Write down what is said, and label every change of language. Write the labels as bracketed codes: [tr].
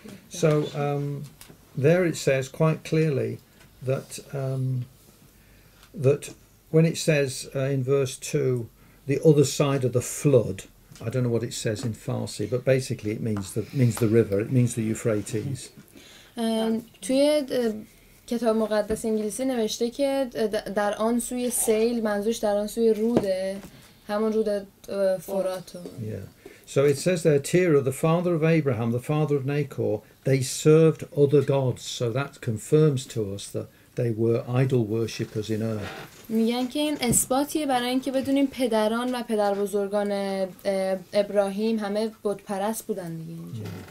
[en] So there it says quite clearly that that when it says in verse 2 the other side of the flood, I don't know what it says in Farsi, but basically it means the river, it means the Euphrates. [fa] توی کتاب مقدس انگلیسی نوشته که در آن سوی سیل، منظورش در آن سوی روده، همون رود فرات. [en] Yeah. So it says there, Terah, the father of Abraham, the father of Nahor, they served other gods. So that confirms to us that they were idol worshippers in Ur. [fa] میگن که این اثباتیه برای اینکه بدونیم پدران و پدر بزرگان ابراهیم همه بت پرست بودن دیگه اینجا.